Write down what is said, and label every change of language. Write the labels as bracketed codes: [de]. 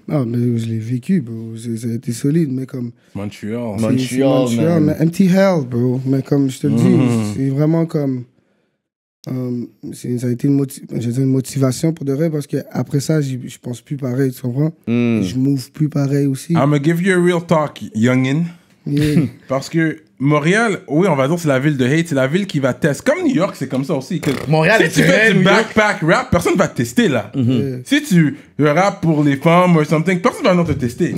[fr] Non, mais je l'ai vécu, bro. Ça a été solide, mais comme... Montreal, mais empty hell, bro. Mais comme je te le dis, c'est vraiment comme... ça a été une motivation pour de vrai, parce qu'après ça, je pense plus pareil, tu comprends? Je move plus pareil aussi. [en] I'm gonna give you a real talk, youngin. Yeah. [fr] Parce que... Montréal, oui, on va dire c'est la ville de hate, c'est la ville qui va tester. Comme New York, c'est comme ça aussi. Montréal, si tu fais du backpack rap, personne va te tester là. Si tu rap pour les femmes ou something, personne va venir te tester.